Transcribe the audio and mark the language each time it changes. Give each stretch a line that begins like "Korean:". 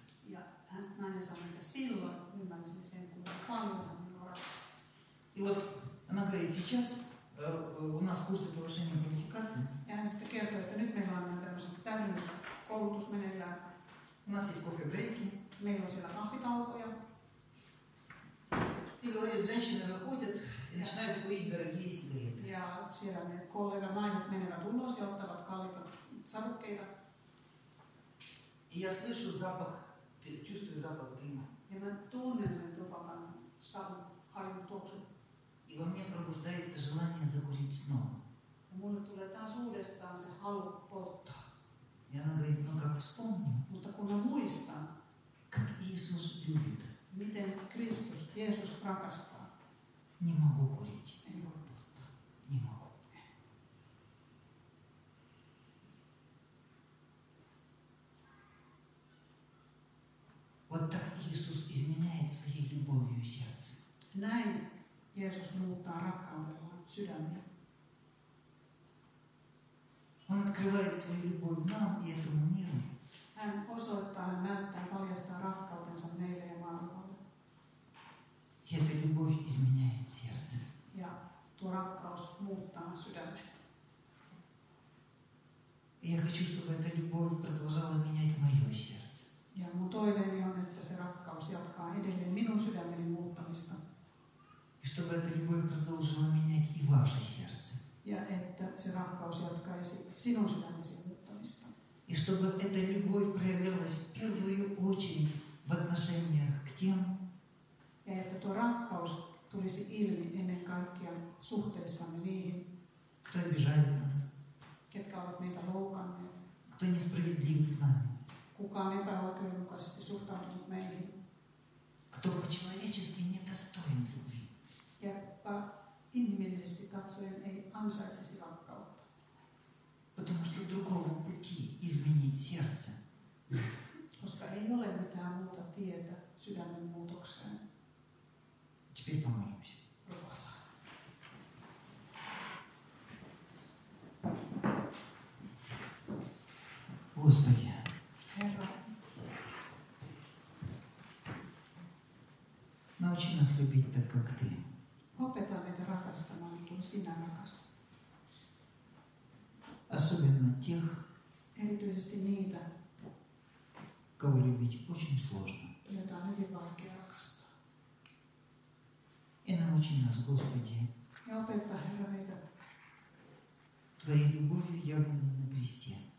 Finnish: Ja hän nainen sanoi, että silloin ymmärsin sen, kuinka paljon hän minua rakasti. Ja hän sitten kertoi, että nyt meillä on näin tämmöisen täydennyskoulutus meneillään.
Russian: У нас есть кофе-брейки.
Finnish: Meillä on siellä kahvitaukoja.
Russian: И говорит, женщины выходят и начинают курить дорогие сигареты.
Finnish: Ja siellä ne kollega-naiset menevät ulos ja ottavat kalliita savukkeita.
Russian: И я слышу запах, чувствую запах дыма.
Finnish: Ja mä tunnen sen tupakan savun, hajun tuoksun.
Russian: И во мне пробуждается желание закурить снова.
Finnish: Ja mulle tulee taas uudestaan se halu polttaa.
Russian: И она говорит, ну как вспомню.
Finnish: Mutta kun mä muistan,
Russian: как Иисус любит.
Finnish: Miten Kristus, Jeesus rakastaa?
Russian: Не могу курить.
Finnish: En voi polttaa.
Russian: Не могу. Вот так Иисус изменяет своей любовью сердце.
Finnish: Näin Jeesus muuttaa rakkaudellaan sydämiä.
Russian: Он открывает свою любовь нам и этому миру.
Finnish: Hän osoittaa, hän näyttää, paljastaa rakkautensa meille ja maailmalle.
Russian: И эта любовь изменяет сердце.
Finnish: Ja tuo rakkaus muuttaa sydämen.
Russian: Я хочу, чтобы эта любовь продолжала менять мое сердце.
Finnish: Ja mun toiveeni on, että se rakkaus jatkaa edelleen minun sydämeni muuttamista.
Russian: И чтобы эта любовь продолжила менять и ваше сердце.
Finnish: Ja että se rakkaus jatkaisi sinun sydämesi muuttamista.
Russian: И чтобы эта любовь проявлялась в первую очередь в отношениях к тем,
Finnish: ja että tuo rakkaus tulisi ilmi ennen kaikkea suhteessamme niihin,
Russian: кто обижает нас,
Finnish: ketkä ovat meitä loukanneet,
Russian: кто несправедлив с нами,
Finnish: kuka on epäoikeudenmukaisesti suhtautunut meihin,
Russian: кто по-человечески недостоин любви,
Finnish: ja inhimillisesti katsoen ei ansaitsisi rakkautta.
Russian: Потому что другого пути изменить сердце.
Finnish: Koska ei ole mitään muuta tietä sydämen muutokseen.
Russian: Теперь помолимся. Господи.
Finnish: Herra.
Russian: Научи нас любить так, как Ты.
Finnish: Опета меня рахастамаан, кун Синя рахастат.
Russian: Особенно тех,
Finnish: erityisesti niitä,
Russian: кого любить очень сложно.
Finnish: Jota on hyvin vaikea rakastaa.
Russian: И научи нас, Господи,
Finnish: опыта, Herra,
Russian: Твоей любовью явленной на кресте.